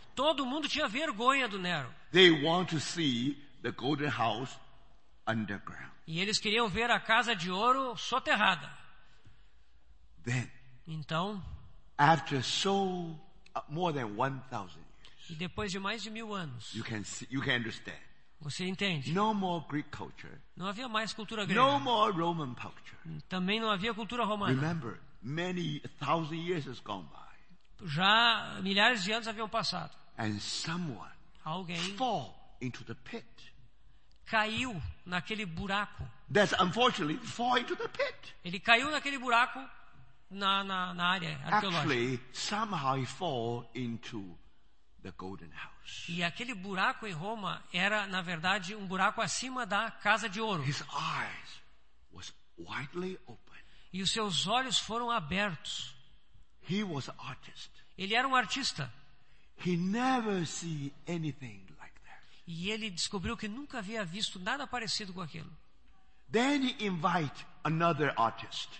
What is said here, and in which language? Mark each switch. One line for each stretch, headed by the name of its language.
Portuguese: Todo mundo tinha vergonha do Nero.
English: They want to see the golden house underground.
Portuguese: E eles queriam ver a Casa de Ouro soterrada.
English: Then,
Portuguese: então,
English: after so more than 1,000 years,
Portuguese: e depois de mais de mil anos,
English: you can see, you can understand.
Portuguese: Você entende?
English: No more Greek culture.
Portuguese: Não havia mais cultura grega.
English: No more Roman culture.
Portuguese: Também não havia cultura romana.
English: Remember, many thousand years has gone by.
Portuguese: Já milhares de anos haviam passado.
English: And someone
Portuguese: alguém
English: fall into the pit.
Portuguese: Caiu naquele buraco.
English: That's unfortunately fall into the pit.
Portuguese: Ele caiu naquele buraco na área arqueológica.
English: Actually, somehow he fall into the golden house.
Portuguese: E aquele buraco em Roma era, na verdade, um buraco acima da Casa de Ouro.
English: His eyes was widely open.
Portuguese: E os seus olhos foram abertos.
English: He was an artist.
Portuguese: Ele era um artista.
English: He never see anything like that.
Portuguese: E ele descobriu que nunca havia visto nada parecido com aquilo.
English: Then he invite another artist.